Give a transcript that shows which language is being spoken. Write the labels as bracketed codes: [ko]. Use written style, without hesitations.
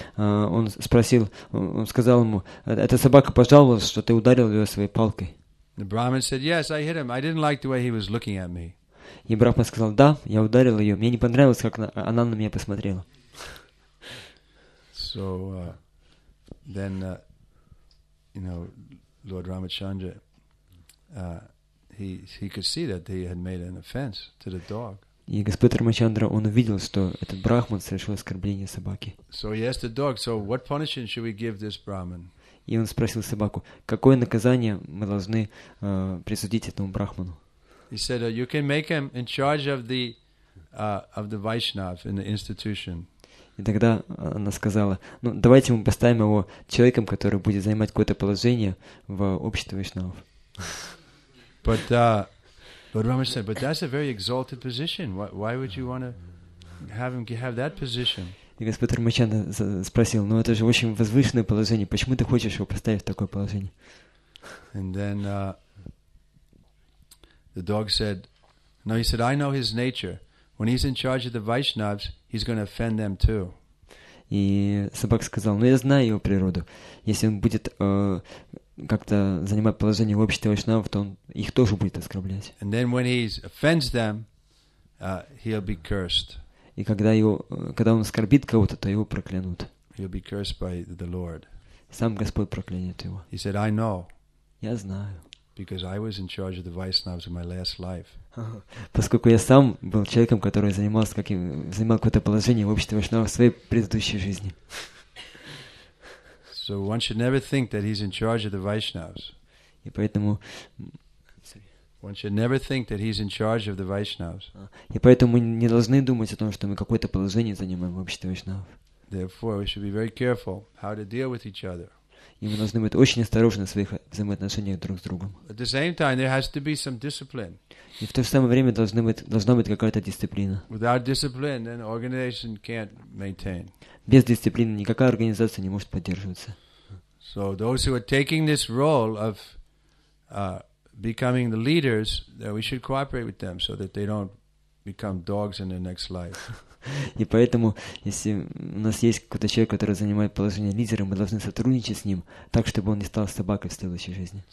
[ru] он спросил, он сказал ему, эта собака пожаловалась, что ты ударил ее своей палкой. И брахман сказал, да, я ударил ее, мне не понравилось, как она на меня посмотрела. [en] So, then, you know, Lord Ramachandra, he could see that he had made an offense to the dog. [ru] И Господь Рамачандра, он увидел, что этот брахман совершил оскорбление собаке. [en] So he asked the dog, so what punishment should we give this brahman? [ru] И он спросил собаку, какое наказание мы должны присудить этому брахману? [en] He said, you can make him in charge of the Vaishnav in the institution. [ru] И тогда она сказала, ну, давайте мы поставим его человеком, который будет занимать какое-то положение в обществе вайшнавов. [en] But Rama said, but that's a very exalted position. Why would you want to have him have that position? [ru] И Господь Рамачандра спросил, ну, это же очень возвышенное положение, почему ты хочешь его поставить в такое положение? [en] And then the dog said, no, he said, I know his nature. When he's in charge of the Vaishnavs, he's going to offend them too. [ru] И собака сказал, ну я знаю его природу. Если он будет как-то занимать положение в обществе вайшнавов, то он их тоже будет оскорблять. [en] And then when he offends them, he'll be cursed. [ru] И когда он оскорбит кого-то, то его проклянут. [en] He'll be cursed by the Lord. [ru] Сам Господь проклянет его. [en] He said, I know. [ru] Я знаю. [en] Because I was in charge of the Vaishnavas in my last life. [ru] Поскольку я сам был человеком, который занимал какое-то положение в обществе вайшнавов в своей предыдущей жизни. [en] So one should never think that he's in charge of the Vaishnavas. [ru] И поэтому [en] one should never think that he's in charge of the Vaishnavas. [ru] И поэтому мы не должны думать о том, что мы какое-то положение занимаем в обществе вайшнавов. [en] Therefore, we should be very careful how to deal with each other. [ru] И мы должны быть очень осторожны в своих взаимоотношениях друг с другом. [en] At the same time, there has to be some discipline. [ru] И в то же самое время должна быть какая-то дисциплина. [en] Without discipline, then organization can't maintain. [ru] Без дисциплины никакая организация не может поддерживаться. [en] So those who are taking this role of becoming the leaders, that we should cooperate with them so that they don't become dogs in their next life. [ru] И поэтому, если у нас есть какой-то человек, который занимает положение лидера, мы должны сотрудничать с ним так, чтобы он не стал собакой в следующей жизни.